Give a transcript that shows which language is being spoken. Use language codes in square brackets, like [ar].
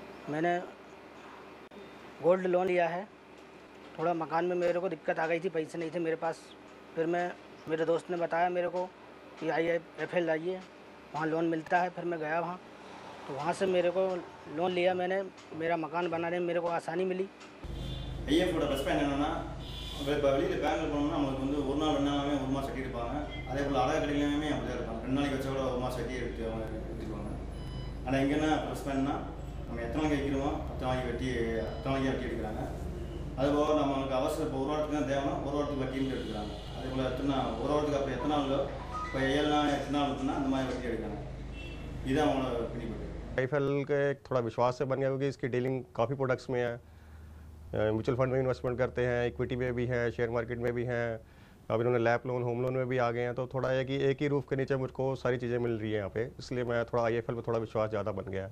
[hi] मैंने gold loan लिया है, थोड़ा मकान में मेरे को दिक्कत आ गई थी, पैसे नहीं थे मेरे पास. फिर मैं मेरे दोस्त ने बताया मेरे को कि IFL आइए, वहाँ लोन मिलता है. फिर मैं गया वहाँ, तो वहाँ से मेरे को लोन लिया मैंने. मेरा मकान बनाने में मेरे को आसानी मिली. [ta] வெளியில் பேங்கில் போனோம்னா நமக்கு வந்து ஒரு நாள் ரெண்டு நாளாகவே 1 மாதம் கட்டி இருப்பாங்க. அதே போல் அடகு கடையிலுமே அப்படி தான் இருப்பாங்க, 2 நாளைக்கு வச்சா கூட 1 மாதம் கட்டி எடுத்து அவங்க கட்டிடுவாங்க. ஆனால் எங்கன்னா ப்ரெஸ் பண்ணால் நம்ம எத்தனை கேட்குறோமோ அத்தனைக்கு வெட்டி அத்தனைக்கு வட்டி எடுக்கிறாங்க. அதுபோக நம்மளுக்கு அவசரம் இப்போ 1 வாரத்துக்கு தான் தேவைனா 1 வாரத்துக்கு வட்டின்ட்டு எடுக்கிறாங்க. அதே போல் எத்தனை 1 வாரத்துக்கு அப்புறம் எத்தனை நாளோ, இப்போ 7 நாள் எத்தனை நாள் இருக்குன்னா அந்த மாதிரி வட்டி எடுக்கிறாங்க. இதுதான் அவங்களோட பிடிப்பட்டு [hi] ஐஃபெல்க்கு எக் தோட விஸ்வாச பண்ணியாவுக்கு இஸ்கி டீலிங் காஃபி ப்ரொடக்ட்ஸ் மே म्यूचुअल फंड में इन्वेस्टमेंट करते हैं, इक्विटी में भी हैं, शेयर मार्केट में भी हैं, अब इन्होंने लैप लोन होम लोन में भी आ गए हैं. तो थोड़ा है कि एक ही रूफ के नीचे मुझको सारी चीज़ें मिल रही हैं यहाँ पे, इसलिए मैं थोड़ा IFL में थोड़ा विश्वास ज़्यादा बन गया.